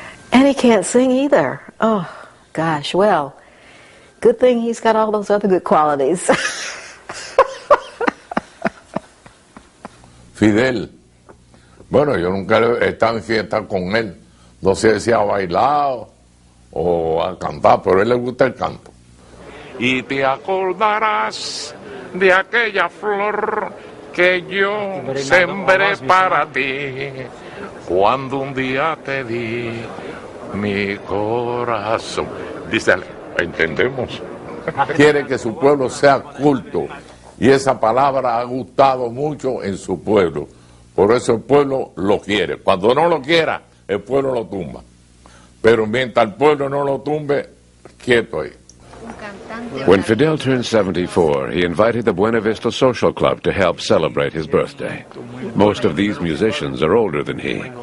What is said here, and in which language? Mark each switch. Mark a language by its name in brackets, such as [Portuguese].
[English] And he can't sing either. Oh, gosh. Well, good thing he's got all those other good qualities. Fidel. [Spanish] Bueno, yo nunca he estado en fiesta con él. No sé si ha bailado o ha cantado, pero a él le gusta el canto. Y te acordarás de aquella flor que yo sembré para ti cuando un día te di mi corazón. Dísele, entendemos. Quiere que su pueblo sea culto y esa palabra ha gustado mucho en su pueblo. Por eso el pueblo lo quiere. Cuando no lo quiera, el pueblo lo tumba. Pero mientras el pueblo no lo tumbe, quieto ahí. [English] When Fidel turned 74, he invited the Buena Vista Social Club to help celebrate his birthday. Most of these musicians are older than he.